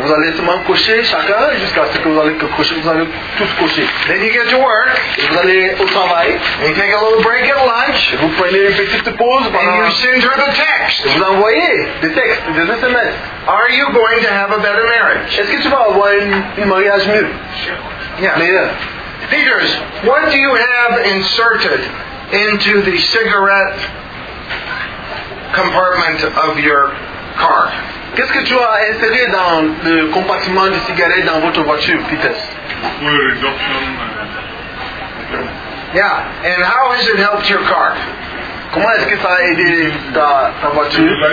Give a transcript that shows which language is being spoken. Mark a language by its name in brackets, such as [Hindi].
[French] Vous allez seulement cocher chacun jusqu'à ce que vous allez cocher. Vous allez tous cocher. [English] Then you get to work. [French] Et vous allez au travail. [English] And you take a little break at lunch. [French] Et vous prenez une petite pause pendant. [English] And you send her the text. [French] Et vous envoyez des textes, des SMS. [English] Are you going to have a better marriage? [French] Est-ce que tu vas avoir un mariage mieux? [English] Sure. Yeah. [French] Meilleur. [English] Peters, what do you have inserted into the cigarette compartment of your car? [French] Qu'est-ce que tu as inséré dans le compartiment de cigarettes dans votre voiture, Peters? [English] Yeah, and how has it helped your car? [French] Comment est-ce que ça a aidé ta voiture?